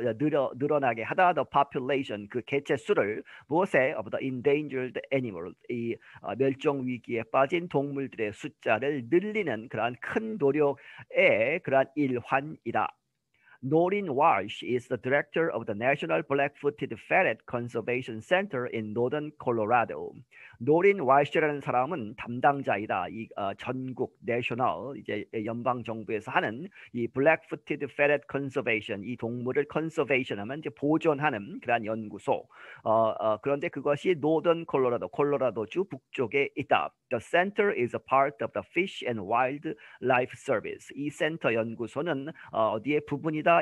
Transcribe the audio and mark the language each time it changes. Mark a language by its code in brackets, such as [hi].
[ko] 늘어나게 하다. [en] The population [ko] 그 개체 수를 무엇의 [en] of the endangered animal [ko] 이 멸종 위기에 빠진 동물들의 숫자를 늘리는 그러한 큰 노력의 그러한 일환이다. [en] Noreen Walsh is the director of the National Black-footed Ferret Conservation Center in Northern Colorado. [ko] 노린 와이셔라는 사람은 담당자이다. 이 전국 내셔널 이제 연방 정부에서 하는 이 블랙푸티드 페렛 컨서베이션 이 동물을 컨서베이션 하면 이제 보존하는 그러한 연구소. 그런데 그것이 노던 콜로라도주 북쪽에 있다. [en] The center is a part of the Fish and Wildlife Service. [ko] 이 센터 연구소는 어디의 부분이다?